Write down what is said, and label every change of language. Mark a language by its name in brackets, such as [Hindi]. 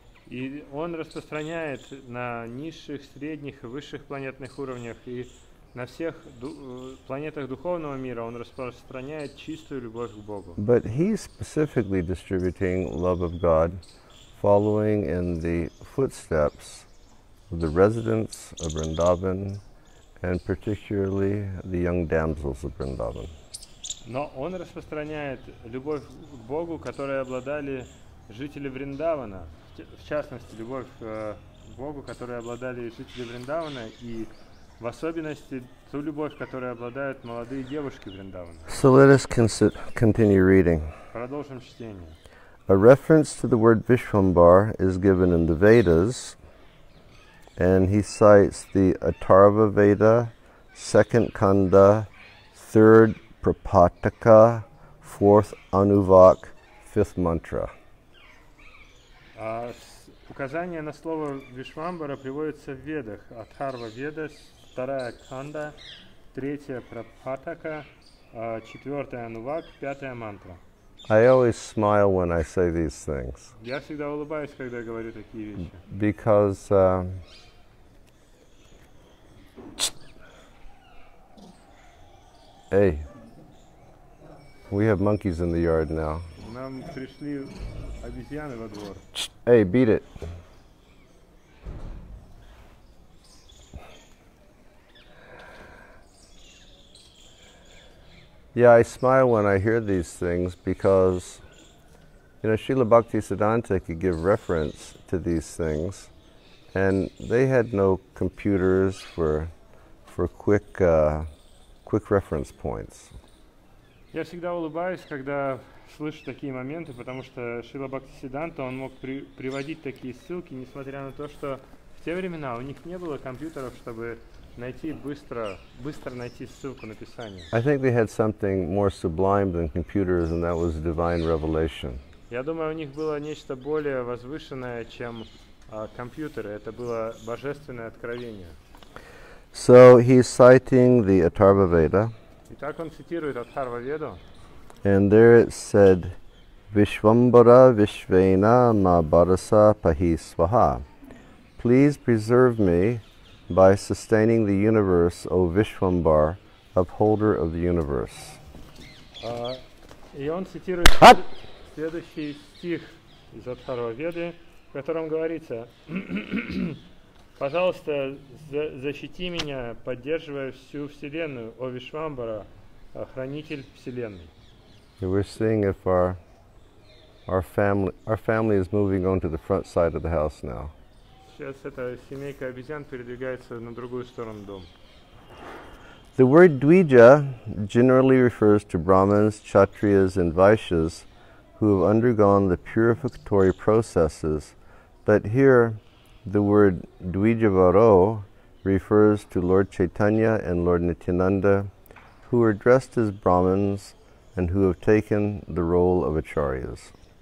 [Russian] И он распространяет на низших, средних и высших планетных уровнях и на всех планетах духовного мира он распространяет чистую любовь к Богу. [English] But he's specifically distributing love of God following in the footsteps of the residents of Vrindavan. And particularly the young damsels of Vrindavan. [Russian] Но он распространяет любовь к Богу, которой обладали жители Вриндавана, в частности, любовь к Богу, которой обладали жители Вриндавана, и в особенности ту любовь, которой обладают молодые девушки Вриндавана. [English] So let us continue reading. [Russian] Продолжим чтение. [English] A reference to the word Vishwambar is given in the Vedas. And he cites the Atharva Veda, second kanda, third prapataka, fourth anuvak, fifth mantra. [Russian] Указание на слово Вишвамбара приводится в Ведах. Атхарва Веда, вторая канда, третья прапатака, четвертая анувак, пятая мантра. [English] I always smile when I say these things. [Russian] Я всегда улыбаюсь, когда говорю такие вещи. [English] Because hey, we have monkeys in the yard now. [Russian] Нам пришли обезьяны во двор. [English] Hey, beat it. Yeah, I smile when I hear these things because, you know, Srila Bhakti Siddhanta could give reference to these things, and they had no computers for quick reference points. [Russian] Я всегда улыбаюсь, когда слышу такие моменты, потому что Шрила Бхакти Сиддханта он мог приводить такие ссылки, несмотря на то, что в те времена у них не было компьютеров, чтобы найти быстро найти ссылку на писание. [English] I think they had something more sublime than computers, and that was divine revelation. [Russian] Я думаю, у них было нечто более возвышенное, чем компьютеры. Это было божественное откровение. [English] So he's citing the Atharva Veda. [Russian] Итак, он цитирует Атхарва Веду. [English] And there it said, [Sanskrit] Vishvambara Vishvena Ma Bharasa Pahi Svaha. [English] Please preserve me by sustaining the universe, O Vishvambar, upholder of the universe. [Russian] И он цитирует следующий стих из Атхарва Веды, в котором говорится, пожалуйста, защити меня, поддерживая всю Вселенную, О Вишвамбара, хранитель Вселенной. [English] We're seeing if our family is moving on to the front side of the house now. [Russian] Сейчас эта семейка обезьян передвигается на другую сторону дома. [English] The word Dvija generally refers to Brahmins, Kshatriyas, and Vaishyas who have undergone the purificatory processes, but here the word Dvijavaro refers to Lord Chaitanya and Lord Nityananda who are dressed as Brahmins and who have taken the role of acharyas.